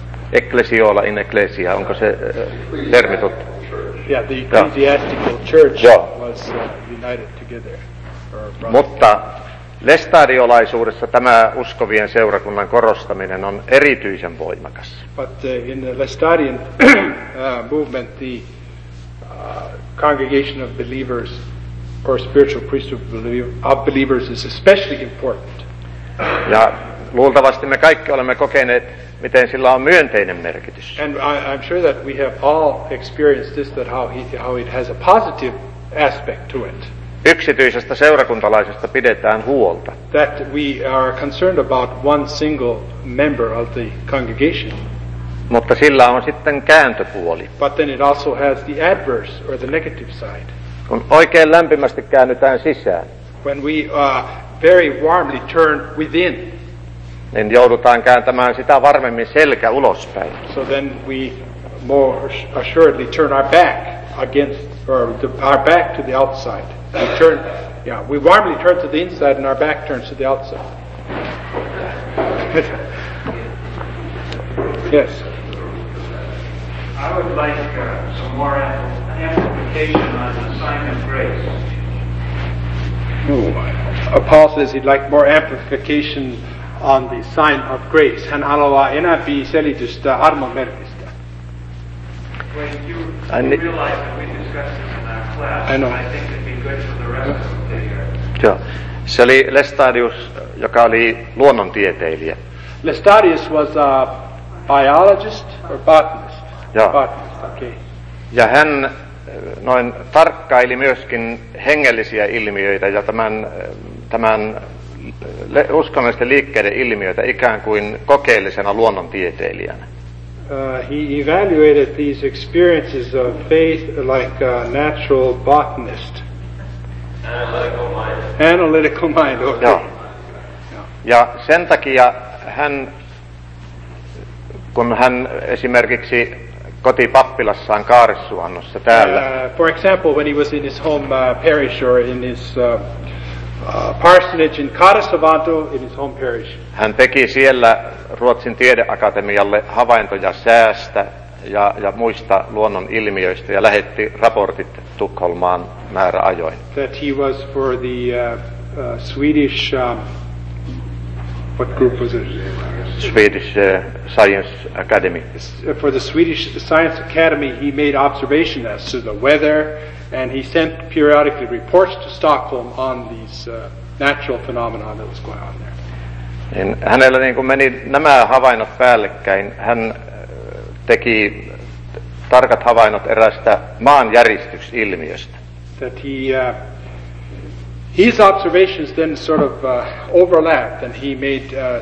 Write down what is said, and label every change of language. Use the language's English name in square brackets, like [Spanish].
[Finnish] Eklesiola in ecclesia, onko se termi tuttu? [English] Yeah, the ecclesiastical church was united together. [Finnish] Mutta lestadiolaisuudessa tämä uskovien seurakunnan korostaminen on erityisen voimakas. [English] But in the Lestadian movement, the congregation of believers or spiritual priesthood of believers is especially important. [Finnish] Ja luultavasti me kaikki olemme kokeneet, miten sillä on myönteinen merkitys. [English] And I'm sure that we have all experienced this, that how it has a positive aspect to it. [Finnish] Yksityisestä seurakuntalaisesta pidetään huolta. [English] That we are concerned about one single member of the congregation. [Finnish] Mutta sillä on sitten kääntöpuoli. [English] But then it also has the adverse or the negative side. [Finnish] Kun oikein lämpimästi käännytään sisään. [English] When we very warmly turn within. [Finnish] Niin joudutaan kääntämään sitä varmemmin selkä ulospäin. [English] So then we more assuredly turn our back against or the, our back to the outside. We turn, we warmly turn to the inside and our back turns to the outside. Yes. I would like some more amplification on the sign of grace. Paul says he'd like more amplification on the sign of grace. [Finnish] Hän haluaa enää bi selitystä armomerkistä. [English] When you realize that we discussed this in our class, I think it'd be good for the rest of the day. [Finnish] Joo. Se oli Lestadius, joka oli luonnontieteilijä. [English] Lestadius was a biologist or botanist? [Finnish] Joo. [English] Botanist, okay. [Finnish] Ja hän noin tarkkaili myöskin hengellisiä ilmiöitä ja tämän uskonnollisten liikkeiden ilmiöitä ikään kuin kokeellisena luonnontieteilijänä. [English] He evaluated these experiences of faith like a natural botanist. Analytical mind. Okay. [Finnish] Joo. Ja sen takia hän, kun hän esimerkiksi kotipappilassaan kaarissuannossa täällä. [English] For example, when he was in his home parish or in his parsonage in Kaarissuvanto, in his home parish. [Finnish] Hän teki siellä Ruotsin tiedeakatemialle havaintoja säästä ja muista luonnon ilmiöistä ja lähetti raportit Tukholmaan määräajoin. [English] That he was for the Swedish what group was it? Swedish Science Academy. For the Swedish Science Academy, he made observations as to the weather, and he sent periodically reports to Stockholm on these natural phenomena that was going on there. [Finnish] En hänellä niin kuin meni nämä havainnot päällekkäin, hän teki tarkat havainnot eräästä maanjäristysilmiöstä. [English] That he his observations then sort of overlapped, and he made